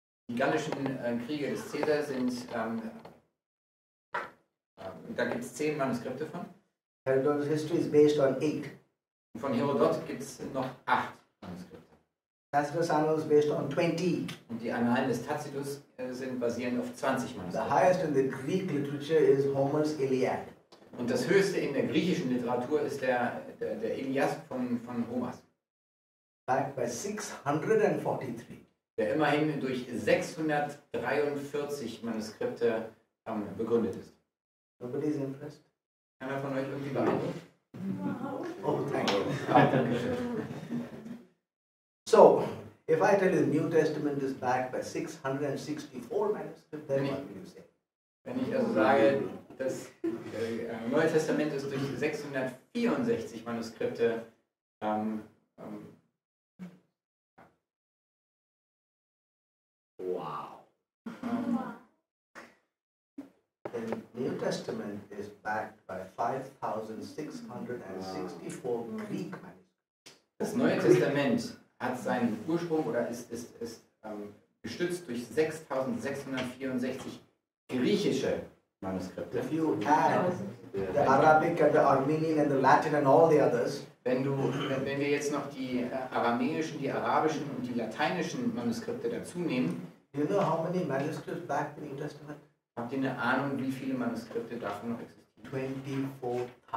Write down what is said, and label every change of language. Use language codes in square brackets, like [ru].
[de] Die gallischen Kriege des Caesar sind, da gibt es 10 Manuskripte von. [en] Herodot's history is based on 8. [de] Von Herodot gibt es noch 8 Manuskripte. [en] Tacitus Annals is based on 20. [de] Und die Annalen des Tacitus sind basierend auf 20 Manuskripten. [en] The highest in the Greek literature is Homer's Iliad. [de] Und das höchste in der griechischen Literatur ist der Ilias von Homers. [en] Backed by 643. [de] Der immerhin durch 643 Manuskripte begründet ist. [en] Nobody is impressed? [de] Keiner von euch irgendwie beeindruckt? [en] Wow. Oh, thank you. So, if I tell you the New Testament is backed by 664 manuscripts, then what will you say? [de] Wenn ich also sage, das Neue Testament ist durch 664 Manuskripte [en] wow. The New Testament is backed by 5664 wow. Greek manuscripts. [de] Das Neue Testament hat seinen Ursprung oder ist gestützt durch 6664 griechische Manuskripte. [en] If you add the Arabic and the Armenian and the Latin and all the others, [de] wenn wir jetzt noch die aramäischen, die arabischen und die lateinischen Manuskripte dazu nehmen, [en] do you know how many manuscripts back in the New Testament? [de] Habt ihr eine Ahnung, wie viele Manuskripte davon noch existieren?